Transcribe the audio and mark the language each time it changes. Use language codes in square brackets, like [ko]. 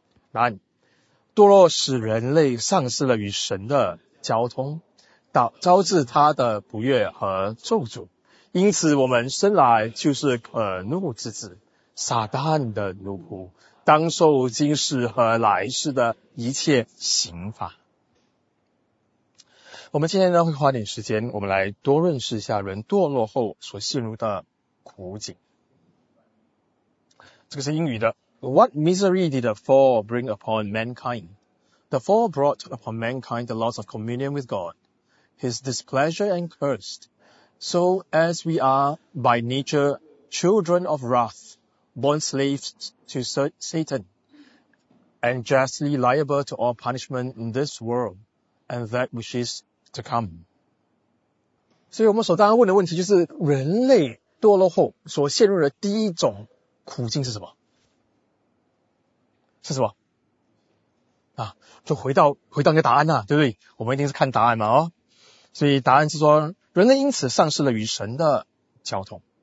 [zh] 答案：堕落使人类丧失了与神的交通，招致他的不悦和咒诅，因此我们生来就是可怒之子，撒旦的奴仆，当受今世和来世的一切刑罚。我们今天呢会花点时间，我们来多认识一下人堕落后所陷入的苦境。这个是英语的。 [en] What misery did the fall bring upon mankind? The fall brought upon mankind the loss of communion with God, his displeasure and curse. So as we are by nature children of wrath, born slaves to Satan, and justly liable to all punishment in this world and that which is to come. [zh] 所以我们所当然问的问题就是人类堕落后所陷入的第一种苦境是什么？是什么啊？就回到那个答案啊，对不对？我们一定是看答案嘛，哦。所以答案是说，人类因此丧失了与神的交通。